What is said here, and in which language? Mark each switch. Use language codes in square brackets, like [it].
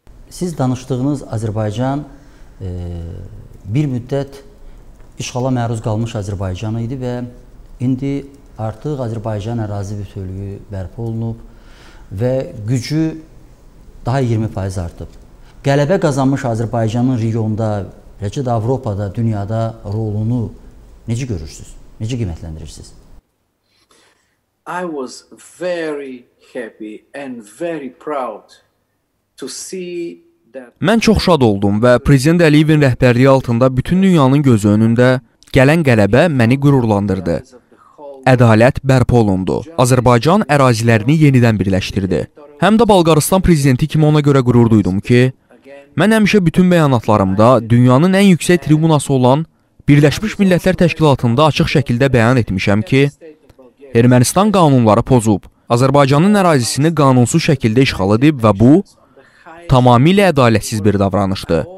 [az] Siz danışdığınız Azərbaycan bir müddət işğala məruz qalmış Azərbaycan idi və indi artıq Azərbaycan ərazi bütövlüyü bərpa olunub və gücü daha 20% artıb. Qələbə qazanmış Azərbaycanın regionda, eləcə də Avropada, dünyada rolunu necə görürsünüz, necə qiymətləndirirsiniz? [en] I was very happy and very proud to see. [az] Mən çox şad oldum və Prezident Əliyevin rəhbərliyi altında bütün dünyanın gözü önündə gələn qələbə məni qürurlandırdı. Ədalət bərpa olundu. Azərbaycan ərazilərini yenidən birləşdirdi. Həm də Balqaristan prezidenti kimi ona görə qürur duydum ki, mən həmişə bütün bəyanatlarımda dünyanın ən yüksək tribunası olan Birləşmiş Millətlər Təşkilatında açıq şəkildə bəyan etmişəm ki, Ermənistan qanunları pozub, Azərbaycanın ərazisini qanunsuz şəkildə işğal edib və bu, tamamilə ədalətsiz bir davranışdır.